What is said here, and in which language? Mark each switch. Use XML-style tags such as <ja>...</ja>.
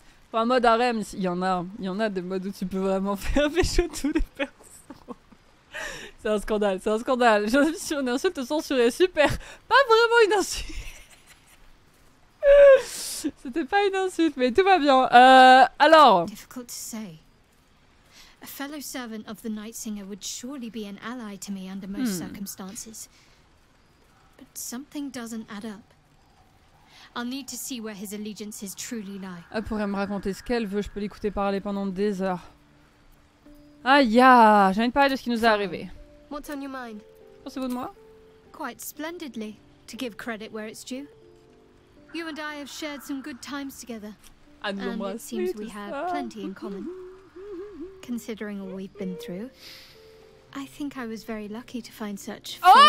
<fr>Pour un mode harem, il y en a des modes où tu peux vraiment faire pécho tous les personnes. C'est un scandale, c'est un scandale. Une insulte censurée, super. Pas vraiment une insulte. C'était pas une insulte, mais tout va bien. Alors.</fr> <en>Difficult to say. A fellow servant of the Night Singer would surely be an ally to me under most circumstances. But something doesn't add up. I'll need to see where his allegiances truly lie.</en> <fr>Elle pourrait me raconter ce qu'elle veut, je peux l'écouter parler pendant des heures. Aïe, yeah. J'ai envie de parler de ce qui nous est arrivé.</fr> <en>What's on your mind?</en> <fr>Pensez-vous de moi?</fr> <en>Quite splendidly, to give credit where it's due. You and I have shared some good times together. And it seems we have plenty in common. Considering all we've been through, I think I was very lucky to find such</en>